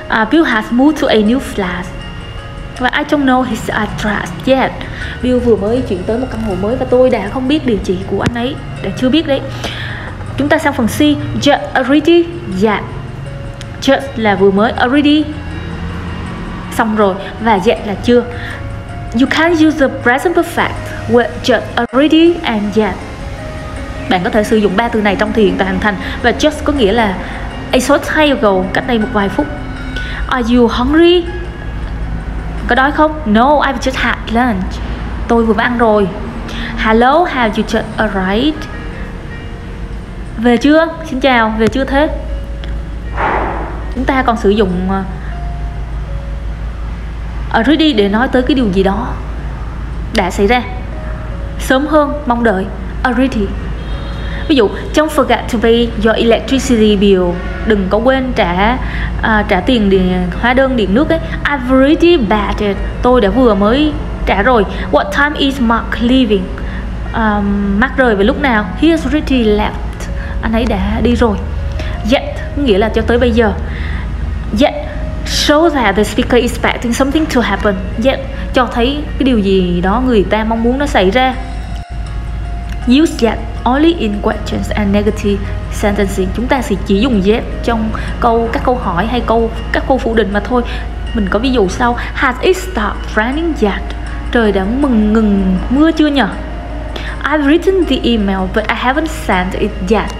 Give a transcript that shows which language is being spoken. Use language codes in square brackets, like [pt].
[en] Bill has moved to a new flat. Và I don't know his address yet. [vi] Bill vừa mới chuyển tới một căn hộ mới và tôi đã không biết địa chỉ của anh ấy, đã chưa biết đấy. Chúng ta sang phần C. [en] Just already. Yeah. [vi] Just là vừa mới, already xong rồi, và yet là chưa. [en] You can't use the present perfect with just already and yet. [vi] Bạn có thể sử dụng ba từ này trong thì hiện tại hoàn thành. Và just có nghĩa là [en] a short time ago, [vi] cách đây một vài phút. [en] Are you hungry? [vi] Có đói không? [en] No, I've just had lunch. [vi] Tôi vừa ăn rồi. [en] Hello, have you just arrived? [vi] Về chưa? Xin chào, về chưa thế? Chúng ta còn sử dụng already để nói tới cái điều gì đó đã xảy ra sớm hơn mong đợi. [en] Already. [vi] Ví dụ, [en] don't forget to pay your electricity bill. [vi] Đừng có quên trả trả tiền điện, hóa đơn điện nước ấy. [en] I've already paid it. [vi] Tôi đã vừa mới trả rồi. [en] What time is Mark leaving? Mark [vi] rời vào lúc nào? [en] He has already left. [vi] Anh ấy đã đi rồi. Yet, nghĩa là cho tới bây giờ. [en] Yet, show that the speaker is expecting something to happen. [vi] Yet, cho thấy cái điều gì đó người ta mong muốn nó xảy ra. [en] Use yet only in questions and negative sentences. [vi] Chúng ta sẽ chỉ dùng yet trong câu các câu hỏi hay câu các câu phủ định mà thôi. Mình có ví dụ sau. [en] Has it stopped raining yet? [vi] Trời đã ngừng mưa chưa nhỉ? [en] I've written the email but I haven't sent it yet.